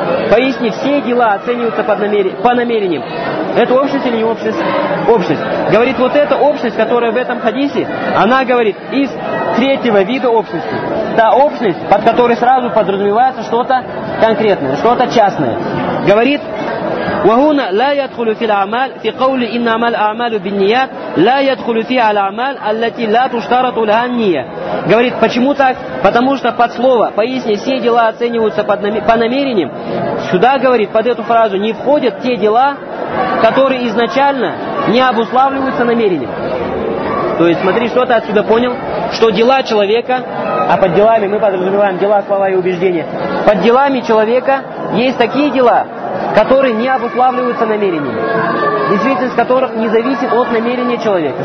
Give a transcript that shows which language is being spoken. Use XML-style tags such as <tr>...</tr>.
<ru>Поясни, все дела оцениваются по намерениям. Это общность или не общность? Общность. Говорит, вот эта общность, которая в этом хадисе, она говорит из третьего вида общности. Та общность, под которой сразу подразумевается что-то конкретное, что-то частное. Говорит,</ru> <ar>وهنا لا يدخل في الأعمال في قول إن عمل أعمال بالنيات لا يدخل فيها الأعمال التي لا تشترط لها النية.</ar> <ru>Говорит, почему так? Потому что под слово, поясни, все дела оцениваются по намерениям. Сюда, говорит, под эту фразу не входят те дела, которые изначально не обуславливаются намерением. То есть смотри, что ты отсюда понял, что дела человека, а под делами мы подразумеваем дела, слова и убеждения, под делами человека есть такие дела, которые не обуславливаются намерениями, действительность которых не зависит от намерения человека.</ru>